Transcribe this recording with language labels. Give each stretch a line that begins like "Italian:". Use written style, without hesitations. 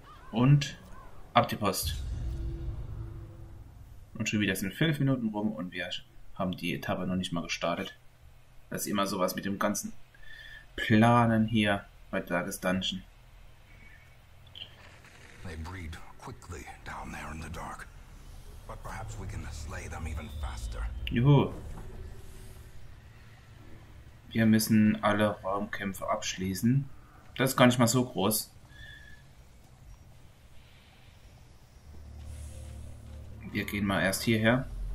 German: Und ab die Post. Und schon wieder sind 5 Minuten rum und wir haben die Etappe noch nicht mal gestartet. Das ist immer sowas mit dem ganzen Planen hier. Bei Darkest Dungeon.
English: They breed quickly down there in the dark. But perhaps we can slay them even faster.
German: Juhu. Wir müssen alle Raumkämpfe abschließen. Das ist gar nicht mal so groß. Wir gehen mal erst hierher.